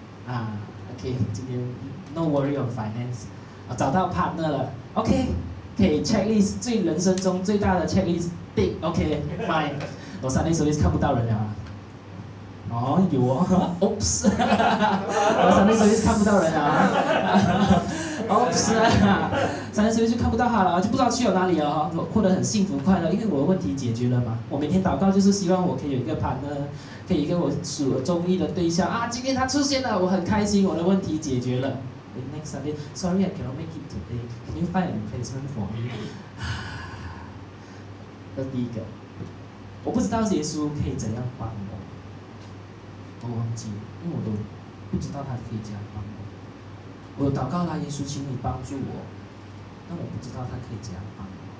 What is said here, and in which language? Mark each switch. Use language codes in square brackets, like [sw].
[zh] OK， 今天 [en] No worry on finance， [zh] 啊，找到 partner 了 ，OK， 可以 checklist 最人生中最大的 checklist， 对 ， [en] OK， fine， [zh] 我上那 service 看不到人了啊，哦，有哦 ， [en] Oops， [zh] 我上那 service 看不到人了啊。 [en] Oops， [zh] 三年时间就看不到他了，就不知道去了哪里了，我过得很幸福快乐，因为我的问题解决了嘛。我每天祷告就是希望我可以有一个 partner， 可以跟我所中意的对象啊。今天他出现了，我很开心，我的问题解决了。 [en] Next Sunday， sorry I cannot make it today， can you find a replacement for me？ [zh] 这是第一个，我不知道耶稣可以怎样帮我，我忘记了，因为我都不知道他可以怎样帮我。我有祷告啦，耶稣，请你帮助我，但我不知道他可以怎样帮我。